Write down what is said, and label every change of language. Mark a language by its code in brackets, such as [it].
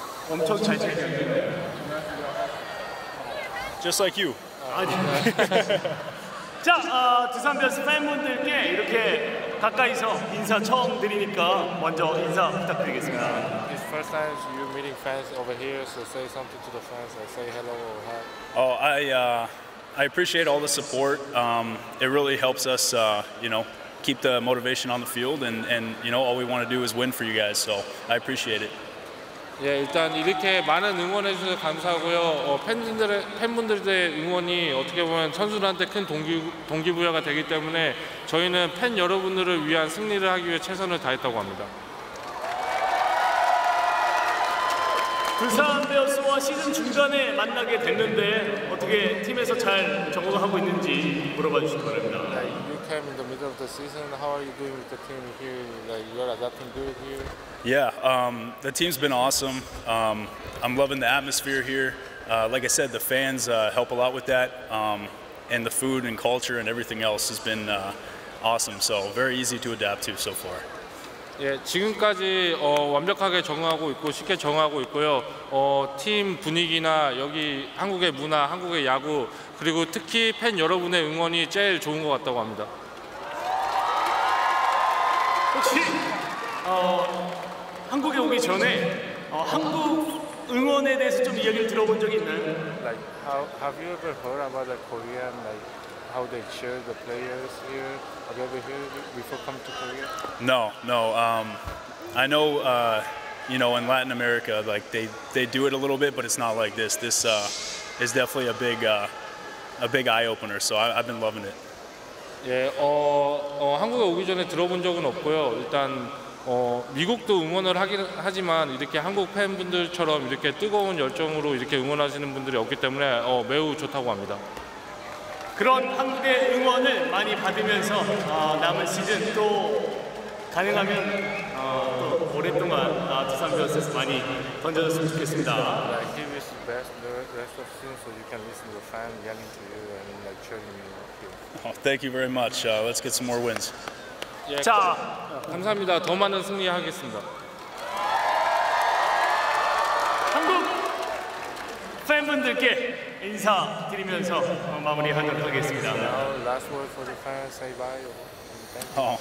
[ko] 엄청 잘 지내요. [en] Just like you. [ko] 자, 두산 베어스 팬분들께 이렇게 가까이서 인사 처음 드리니까 먼저 인사 부탁드리겠습니다. [en] It's first time you meeting fans over here, so say something to the fans. Like say hello or hi. Oh, I appreciate all the support. It really helps us, you know, keep the motivation on the field, and you know, all we want to do is win for you guys. So I appreciate it. [ko] 예, 일단 이렇게 많은 응원해 주셔서 감사하고요. 팬분들의 응원이 어떻게 보면 선수들한테 큰 동기부여가 되기 때문에 저희는 팬 여러분들을 위한 승리를 하기 위해 최선을 다했다고 합니다. 부산 베어스와 시즌 중간에 만나게 됐는데 어떻게 팀에서 잘 적응하고 있는지 물어봐 주시기 바랍니다. [en] In the middle of the season, how are you doing with the team here? Like, you're adapting good here? Yeah, the team's been awesome. I'm loving the atmosphere here. Like I said, the fans help a lot with that. And the food and culture and everything else has been awesome. So very easy to adapt to so far. [ko] 예, 지금까지 완벽하게 적응하고 있고 쉽게 적응하고 있고요. 팀 분위기나 여기 한국의 문화, 한국의 야구, 그리고 특히 팬 여러분의 응원이 제일 좋은 것 같다고 합니다. 혹시 한국에 오기 전에 한국 응원에 대해서 좀 이야기를 들어본 적이 있나요? [en] Like, have you ever heard about the Korean, like, how they cheer the players here? Have you ever heard before coming to Korea? No. I know, you know, in Latin America, like, they do it a little bit, but it's not like this. This is definitely a big... A big eye-opener, so I've been loving it. [ko] 예, 한국에 오기 전에 들어본 적은 없고요. 일단 미국도 응원을 하지만 이렇게 한국 팬분들처럼 이렇게 뜨거운 열정으로 이렇게 응원하시는 분들이 없기 때문에 매우 좋다고 합니다. 그런 한국의 응원을 많이 받으면서 남은 시즌 또 가능하면 또 오랫동안 두산 베어스에서 많이 던져줬으면 좋겠습니다. [en] Rest of soon, so you can listen to the fan yelling to you and like cheering you up here. Oh, thank you very much. Let's get some more wins. [ko] 예, 자, 감사합니다. 더 많은 승리하겠습니다. 한국 팬분들께 인사 드리면서 마무리하도록 하겠습니다. [en] Last word for the fans, say bye.